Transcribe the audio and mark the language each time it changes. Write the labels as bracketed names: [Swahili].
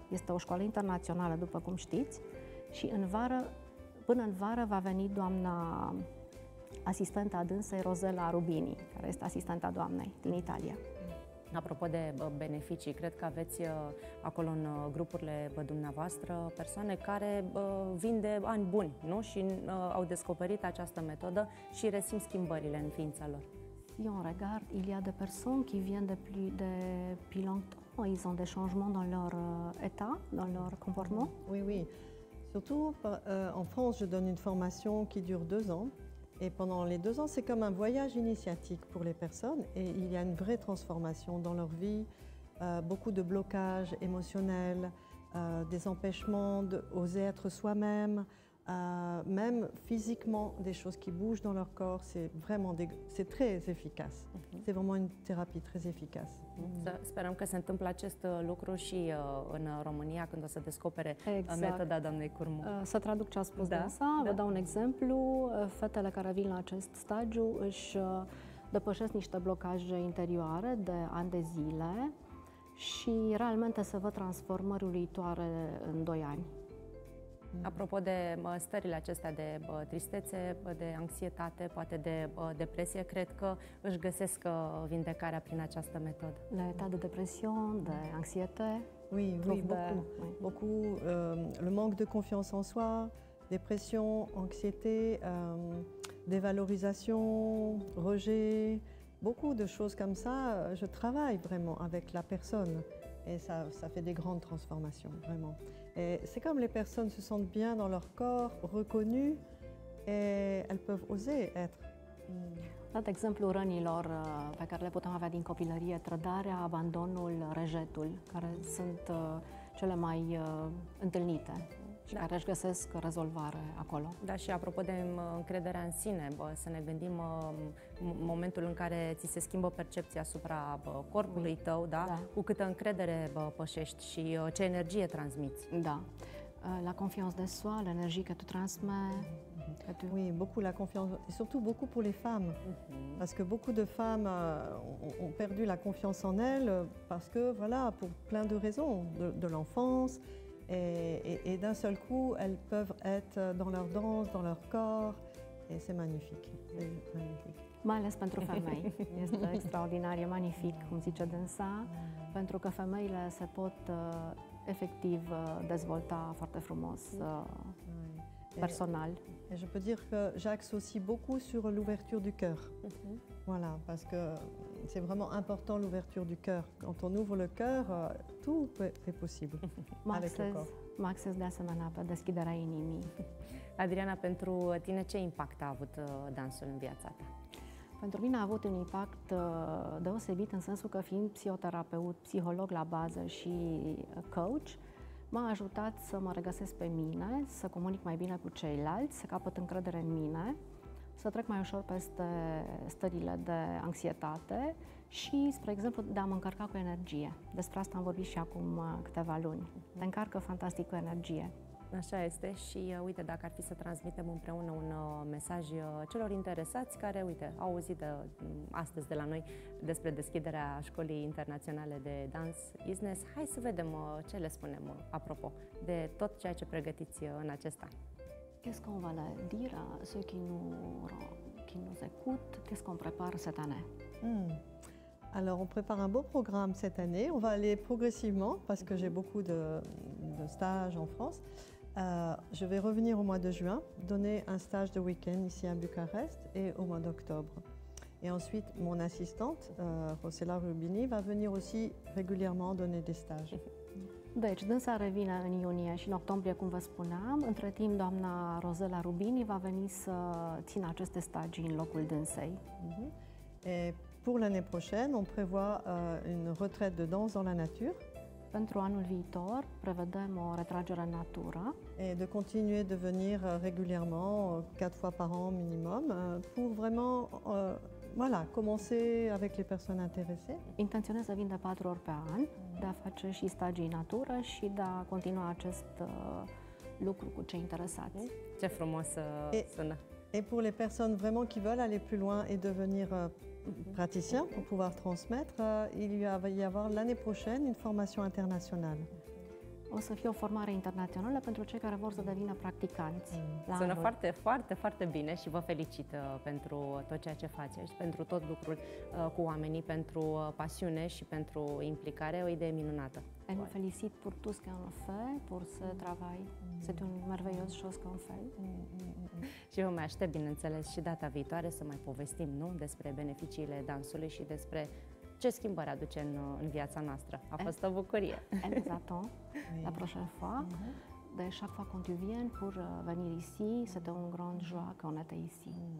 [Romanian] Este o școală internațională, după cum știți. Și în vară, până în vară va veni doamna asistenta dânsei Rosella Rubini, care este asistenta doamnei din Italia. Apropo de beneficii, cred că aveți acolo în grupurile dumneavoastră persoane care vin de ani buni, nu? Și au descoperit această metodă și resimt schimbările în ființa lor. [French] Eu regard, il y a [Romanian] de persoane [French] qui vient depuis longtemps, ils ont des changements dans leur état, dans leur comportement. Oui, oui. Surtout en France, je donne une formation qui dure 2 ans. Et pendant les 2 ans, c'est comme un voyage initiatique pour les personnes et il y a une vraie transformation dans leur vie, beaucoup de blocages émotionnels, des empêchements d'oser être soi-même, même physiquement, des choses qui bougent dans leur corps, c'est très efficace. Mm-hmm. C'est vraiment une thérapie très efficace. Mm-hmm. [Romanian] Sperăm că se întâmplă acest lucru și în România când o să descopere metoda doamnei Curmo. Să traduc ce a spus Dansa, vă dau un exemplu. Fetele care vin la acest stagiu își depășesc niște blocaje interioare de ani de zile și realmente se văd transformări uluitoare în 2 ani. Apropo de stările acestea de tristețe, de anxietate, poate de depresie, cred că își găsesc vindecarea prin această metodă. [French] La etat de depresion, [Romanian] de anxietate? [French] Oui, oui, beaucoup. Le manque de confiance en soi, depression, anxiété, dévalorisation, rejet, beaucoup de choses comme ça, je travaille vraiment avec la personne et ça fait des grandes transformations, vraiment. Et c'est comme les personnes se sentent bien dans leur corps, reconnues, et elles peuvent oser être. [Romanian] Dat exemplu rănilor pe care le putem avea din copilărie, trădarea, abandonul, rejetul, care sunt cele mai întâlnite și care își găsesc rezolvare acolo. Da, și apropo de încrederea în sine, să ne gândim momentul în care ți se schimbă percepția asupra corpului tău, da? Cu câtă încredere pășești și ce energie transmiți. [French] Da, la confiance de soi, l'énergie que tu transmets. Tu... Oui, beaucoup la confiance, et surtout beaucoup pour les femmes, parce que beaucoup de femmes ont perdu la confiance en elles, parce que voilà, pour plein de raisons, de l'enfance, et d'un seul coup, elles peuvent être dans leur danse, dans leur corps, et c'est magnifique. [Romanian] Mai ales pentru femei. Este extraordinar, e magnific, cum zice Dansa, pentru că femeile se pot efectiv dezvolta foarte frumos personal. [French] Et je peux dire que j'axe aussi beaucoup sur l'ouverture du cœur. Voilà, parce que c'est vraiment important l'ouverture du cœur. Quand on ouvre le cœur, tout est possible avec le corps. [Romanian] Maxes de asemenea pe deschiderea inimii. Adriana, pentru tine ce impact a avut dansul în viața ta? Pentru mine a avut un impact deosebit în sensul că fiind psihoterapeut, psiholog la bază și coach, m-a ajutat să mă regăsesc pe mine, să comunic mai bine cu ceilalți, să capăt încredere în mine, să trec mai ușor peste stările de anxietate și, spre exemplu, de a mă încărca cu energie. Despre asta am vorbit și acum câteva luni. Te încarcă fantastic cu energie. Așa este și, uite, dacă ar fi să transmitem împreună un mesaj celor interesați care, uite, au auzit astăzi de la noi despre deschiderea Școlii Internaționale de Dans Isnes, hai să vedem ce le spunem, apropo, de tot ceea ce pregătiți în acest an. [French] Qu'est-ce qu'on va le dire à ceux qui nous écoutent? Qu'est-ce qu'on prépare cette année? Alors, on prépare un beau programme cette année. On va aller progressivement parce que j'ai beaucoup de stages en France. Je vais revenir au mois de juin, donner un stage de week-end ici à Bucarest et au mois d'octobre. Et ensuite, mon assistante, Rosella Rubini, va venir aussi régulièrement donner des stages. [Romanian] Deci, dânsa revine în iunie și în octombrie, cum vă spuneam. Între timp, doamna Rozela Rubini va veni să țină aceste stagii în locul dânsei. [French] Pour l'année prochaine, on prévoit une retraite de danse dans la nature. [Romanian] Pentru anul viitor, prevedem o retragere în natură. [French] Et de continuer de venir régulièrement, 4 fois par an minimum, pour vraiment voilà, commencer avec les personnes intéressées. [Romanian] Intenționez să vin de 4 ori pe an, de a face și stagii în natură și de a continua acest lucru cu cei interesați. Ce frumos să sună. [French] Et pour les personnes vraiment qui veulent aller plus loin et devenir praticien pour pouvoir transmettre, il va y avoir l'année prochaine une formation internationale. [Romanian] O să fie o formare internațională pentru cei care vor să devină practicanți. Sună foarte, foarte, foarte bine și vă felicit pentru tot ceea ce faceți, pentru tot lucrul cu oamenii, pentru pasiune și pentru implicare. O idee minunată. [French] Et nous félicite pour tout ce qu'on fait, pour ce travail. C'est une merveilleuse chose qu'on fait. [Romanian] Și vă mai aștept, bineînțeles, și data viitoare să mai povestim, nu, despre beneficiile dansului și despre ce schimbări aduce în viața noastră. A fost o bucurie. [French] Exactement. La prochaine fois. De chaque fois quand tu viens pour venir ici, c'est une grande joie qu'on était ici.